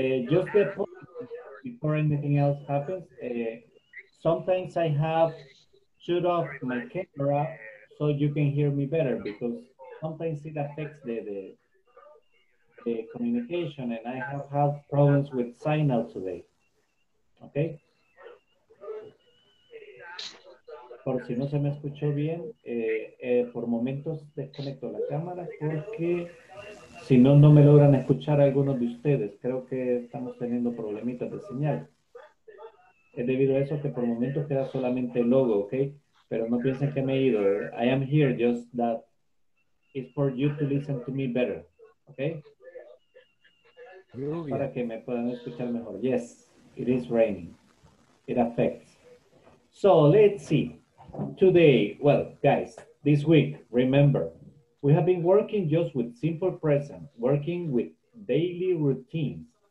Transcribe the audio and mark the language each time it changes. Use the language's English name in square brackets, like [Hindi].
[English] Just before anything else happens, sometimes I have shut off my camera so you can hear me better, because sometimes it affects the communication, and I have had problems with signal today. Okay? [Spanish] Por si no se me escuchó bien, por momentos desconecto la cámara porque si no, no me logran escuchar algunos de ustedes. Creo que estamos teniendo problemitas de señal. Es debido a eso que por momentos queda solamente el logo, ¿ok? Pero no piensen que me he ido. [English] I am here, just that it's for you to listen to me better, ¿ok? [Spanish] Lluvia. Para que me puedan escuchar mejor. [English] Yes, it is raining. It affects. So, let's see. Today, well, guys, this week, remember, we have been working just with simple present, working with daily routines.